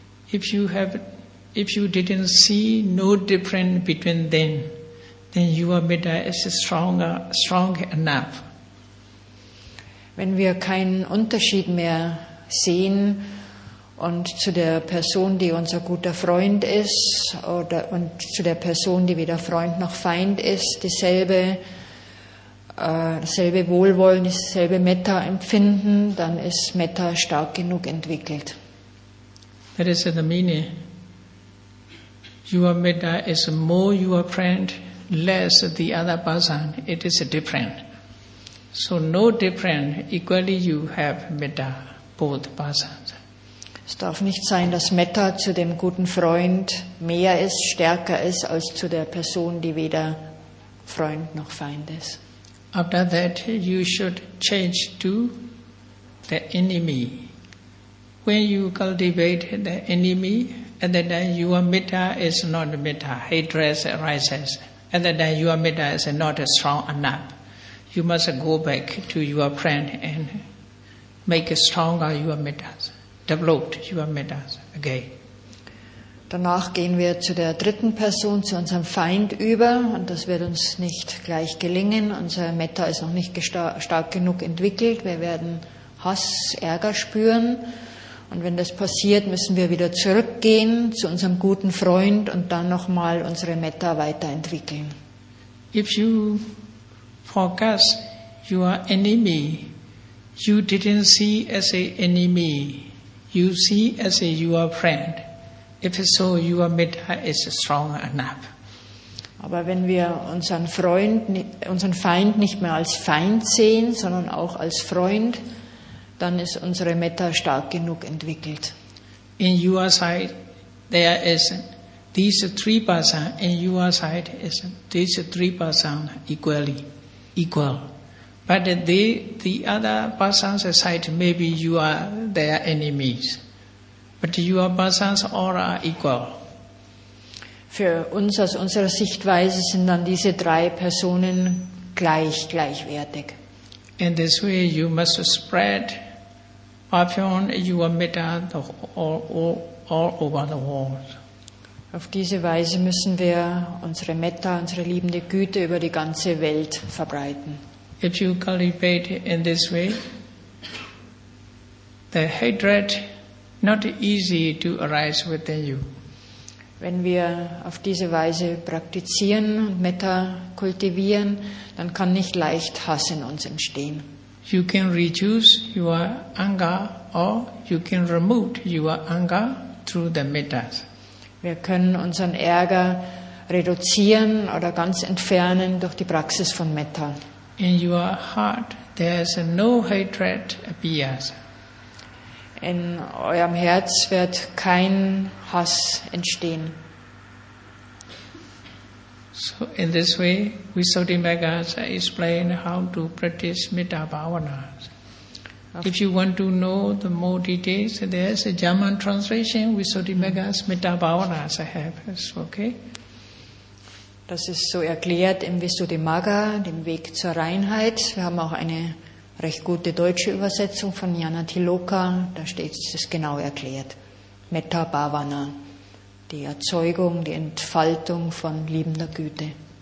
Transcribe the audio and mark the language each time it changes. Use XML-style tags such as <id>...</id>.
<en>If you didn't see no difference between them, then your metta is strong enough.</en> <de>Wenn wir keinen Unterschied mehr sehen und zu der Person, die unser guter Freund ist, oder und zu der Person, die weder Freund noch Feind ist, dasselbe Wohlwollen, dasselbe Metta empfinden, dann ist Metta stark genug entwickelt.</de> <en>That is the meaning. Your metta is more your friend, less the other person. It is different. So no different, equally you have metta, both persons.</en> <de>Es darf nicht sein, dass Metta zu dem guten Freund mehr ist, stärker ist, als zu der Person, die weder Freund noch Feind ist.</de> <en>After that, you should change to the enemy. When you cultivate the enemy, at that time your metta is not metta, hatred arises. At that time your metta is not strong enough. You must go back to your friend and make stronger your metas, develop your metas again.</en> <de>Danach gehen wir zu der dritten Person, zu unserem Feind über, und das wird uns nicht gleich gelingen. Unser Metta ist noch nicht stark genug entwickelt. Wir werden Hass, Ärger spüren, und wenn das passiert, müssen wir wieder zurückgehen zu unserem guten Freund und dann nochmal unsere Metta weiterentwickeln.</de> <en>If you forget your enemy, you didn't see as a enemy, you see as a your friend. If so, your metta is strong enough.</en> <de>Aber wenn wir unseren Feind nicht mehr als Feind sehen, sondern auch als Freund, dann ist unsere Metta stark genug entwickelt.</de> <en>In your side, there is these three persons. In your side, is these three persons equal. But the other person's side, maybe you are their enemies. But your persons all are equal.</en> <de>Für uns aus unserer Sichtweise sind dann diese drei Personen gleichwertig.</de> <en>In this way you must spread perfume, your metta all over the world.</en> <de>Auf diese Weise müssen wir unsere Metta, unsere liebende Güte über die ganze Welt verbreiten.</de> <en>If you cultivate in this way, the hatred not easy to arise within you.</en> <de>Wenn wir auf diese Weise praktizieren und Metta kultivieren, dann kann nicht leicht Hass in uns entstehen.</de> <en>You can reduce your anger or you can remove your anger through the metas.</en> <de>Wir können unseren Ärger reduzieren oder ganz entfernen durch die Praxis von Metta.</de> <en>In your heart there is no hatred appears.</en> <de>In eurem Herz wird kein Hass entstehen.</de> <en>So in this way, Visuddhimaggas explain how to practice metta bhavanas. If you want to know the more details, there is a German translation, Visuddhimaggas metta bhavanas I have. It's okay.</en> <de>Das ist so erklärt im Visuddhimagga, dem Weg zur Reinheit. Wir haben auch eine recht gute deutsche Übersetzung von Jana Tiloka, da steht es genau erklärt. Metta Bhavana, die Erzeugung, die Entfaltung von liebender Güte.</de>